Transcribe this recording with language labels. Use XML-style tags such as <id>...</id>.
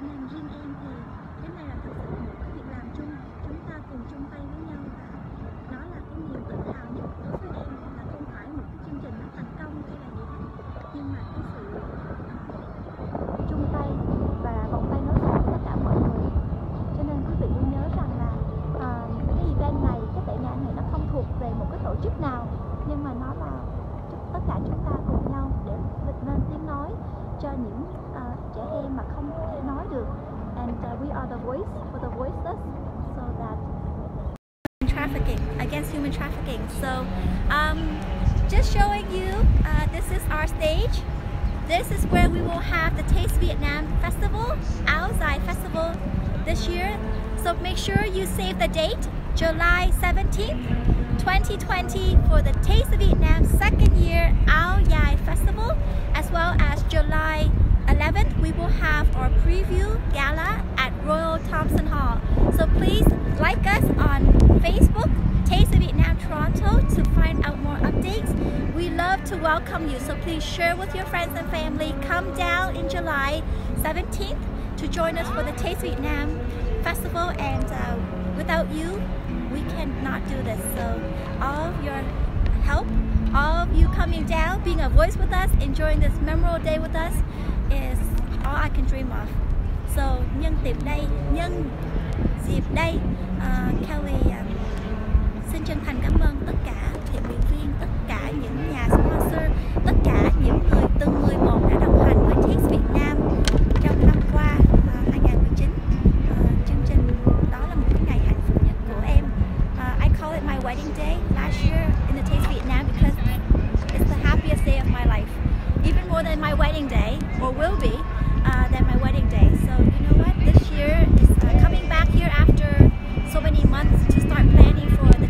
<vi>Cho nên riêng em thì cái này là thật sự một cái việc làm chung, chúng ta cùng chung tay với nhau, và nó là cái niềm tự hào nhất đối với em, là không phải một cái chương trình nó thành công hay là gì hết, nhưng mà cái sự chung tay và vòng tay nối dài tất cả mọi người. Cho nên quý vị luôn nhớ rằng là cái event này, cái tệ nạn này nó không thuộc về một cái tổ chức nào, nhưng mà nó là tất cả chúng ta cùng nhau để vực lên tiếng nói cho những trẻ em mà không thể nói được.</vi> <en>And we are the voice for the voiceless, so that trafficking, against human trafficking. So just showing you, this is our stage. This is where we will have the Taste Vietnam Festival, Áo Dài Festival, this year. So make sure you save the date, July 17th, 2020, for the Taste of Vietnam second year Áo Dài Festival, as well as July 11th, we will have our preview gala at Royal Thompson Hall. So please like us on Facebook, Taste of Vietnam Toronto, to find out more updates. We love to welcome you, so please share with your friends and family. Come down in July 17th to join us for the Taste Vietnam Festival, and without you, we cannot do this. So all of your help, all of you coming down, being a voice with us, enjoying this memorable day with us, is all I can dream of.</en> <vi>So nhân dịp đây, Kelly xin chân thành cảm ơn tất cả thiện nguyện viên, tất cả những nhà sponsor, tất cả những người từng người một đã đồng hành với Kids Việt Nam trong năm qua 2019. Chương trình đó là một cái ngày hạnh phúc nhất của em.</vi> <en>I call it my wedding day last year in the Kids Việt Nam because it's the happiest day of my life, even more than my wedding day, or will be than my wedding day. So you know what, this year is coming back here after so many months to start planning for</en>